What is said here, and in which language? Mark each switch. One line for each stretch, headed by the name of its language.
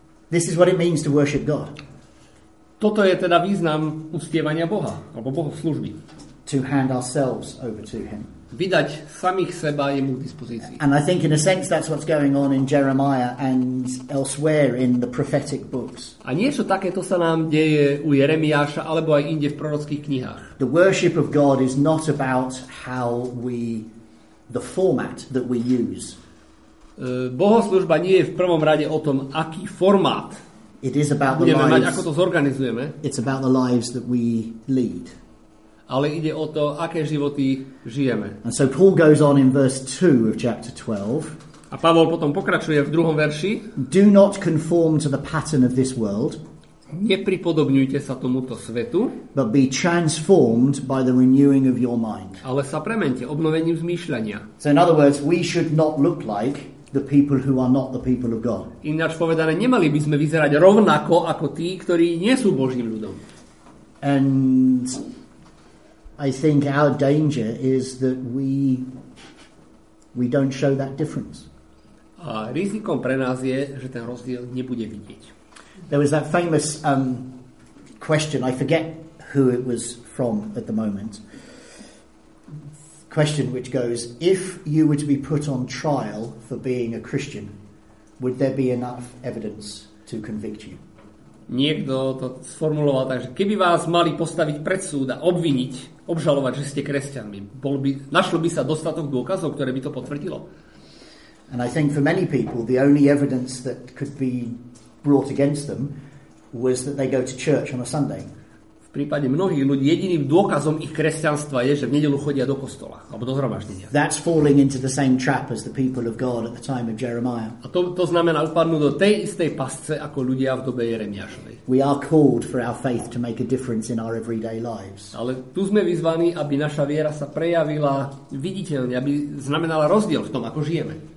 English: This is what it means to worship God.
Slovak: Toto je teda význam uctievania Boha alebo bohoslužby.
English: To hand ourselves over to him.
Slovak: Vydať samých seba jemu k dispozícii.
English: And I think in a sense that's what's going on in Jeremiah and elsewhere in the prophetic books.
Slovak: A niečo takéto sa nám deje u Jeremiáša alebo aj inde v prorockých knihách.
English: The worship of God is not about how we the format that we use.
Slovak: Bohoslužba nie je v prvom rade o tom, aký formát.
English: It is about the lives.
Slovak: Mať, ako to zorganizujeme.
English: It's about the lives that we lead.
Slovak: Ale ide o to, aké životy žijeme.
English: And so Paul goes on in verse 2 of chapter 12.
Slovak: A Pavol potom pokračuje v druhom verši.
English: Do not conform to the pattern of this world.
Slovak: Nepripodobňujte sa tomuto svetu.
English: But be transformed by the renewing of your mind.
Slovak: Ale sa premente obnovením zmýšľania.
English: So in other words, we should not look like the people who are not the people of God.
Slovak: Ináč povedané, nemali by sme vyzerať rovnako ako tí, ktorí nie sú Božím ľudom.
English: And I think our danger is that we don't show that difference.
Slovak: A rizikom pre nás je, že ten rozdiel nebude vidieť.
English: There was that famous question, I forget who it was from at the moment. Question which goes, if you were to be put on trial for being a Christian, would there be enough evidence to convict you?
Slovak: Niekto to sformuloval tak, že keby vás mali postaviť pred súd a obviniť, obžalovať, že ste kresťanmi, našlo by sa dostatok dôkazov, ktoré by to potvrdilo.
English: And I think for many people the only evidence that could be brought against them was that they go to church on a Sunday.
Slovak: V prípade mnohých ľudí jediným dôkazom ich kresťanstva je, že v nedeľu chodia do kostola alebo do zhromaždenia.
English: That's falling into the same trap as the people of God at the time of Jeremiah.
Slovak: A to znamená upadnúť do tej istej pasce ako ľudia v dobe Jeremiášovej.
English: We are called for our faith to make a difference in our everyday lives.
Slovak: Ale tu sme vyzvaní, aby naša viera sa prejavila viditeľne, aby znamenala rozdiel v tom, ako žijeme.